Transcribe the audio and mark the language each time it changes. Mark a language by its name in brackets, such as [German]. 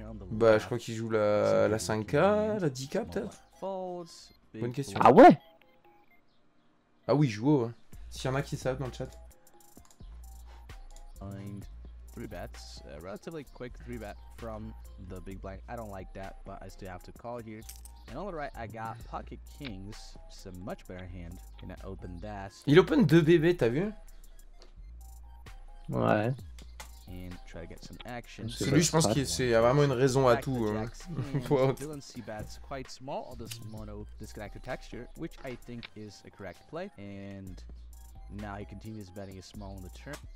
[French] Bah, je crois qu'il joue la 5K, la 10K peut-être. Bonne question. Ah ouais? Ah oui, joue haut. S'il y en a qui savent dans le chat. [English] Three bets, relatively quick three bet from the big blind. I don't like that, but I still have to call here. And on the right, I got pocket kings. It's a much better hand. Gonna open that. [French] Il open deux bébés, t'as vu? Ouais. [English] And try to get some action. [French] C'est lui, je pense qu'il c'est, y a vraiment une raison à tout. [English] Dylan Seabat's quite small on this mono disconnected texture, which I think is a correct play. And now he continues betting a small on the turn.